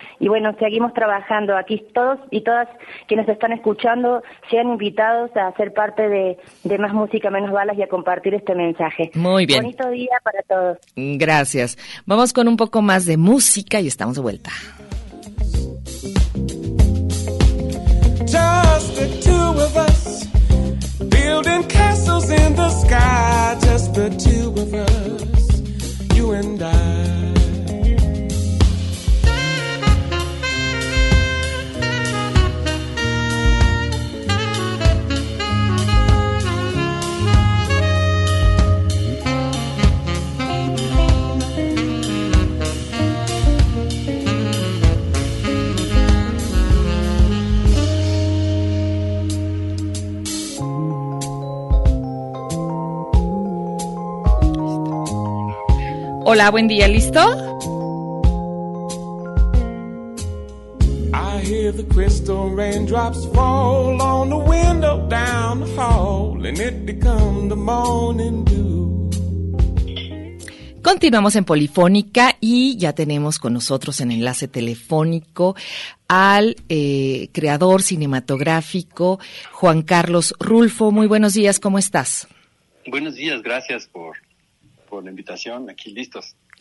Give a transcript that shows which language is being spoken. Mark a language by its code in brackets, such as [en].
[es] Y bueno, seguimos trabajando aquí. Todos y todas quienes están escuchando, sean invitados a ser parte de Más Música Menos Balas y a compartir este mensaje. Muy bien. Bonito día para todos. Gracias. Vamos con un poco más de música y estamos de vuelta. [en] Just the two of us, building castles in the sky. Just the two of us, you and I. [es] Hola, buen día, ¿listo? [en] I hear the crystal raindrops fall on the window down the hall, and it becomes the morning dew. [es] Continuamos en Polifónica y ya tenemos con nosotros en enlace telefónico al creador cinematográfico Juan Carlos Rulfo. Muy buenos días, ¿cómo estás? Buenos días, gracias por la invitación, aquí listos.